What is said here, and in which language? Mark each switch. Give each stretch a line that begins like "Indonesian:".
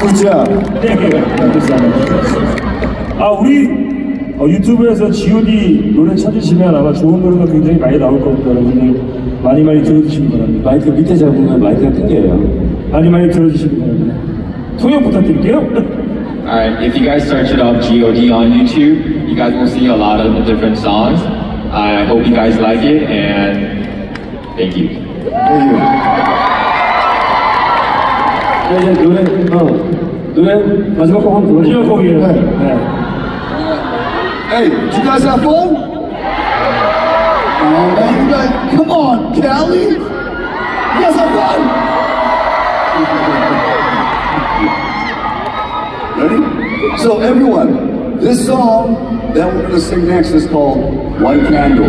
Korean: 굿잡. 네, 감사합니다. 아, 우리 유튜브에서 GOD 노래 찾으시면 아마 좋은 노래가 굉장히 많이 나올 겁니다. 여러분들 많이 많이 들어주시기 바랍니다. 마이크 밑에 잡으면 마이크가 끊겨요. 많이 많이 들어주시기 바랍니다. 통역 부탁드릴게요.
English: Alright, if you guys search it up GOD on YouTube, you guys will see a lot of different songs. I hope you guys like it and thank you. Thank you.
Korean: 네, 이제 노래, 노래 마지막 곡 한번 들어주세요. 마지막 곡이에요. 네. 네.
English: Hey, did you guys have fun? Yeah. Hey, you guys, come on, Cali! You guys have fun! Ready? So everyone, this song that we're gonna sing next is called White Candle.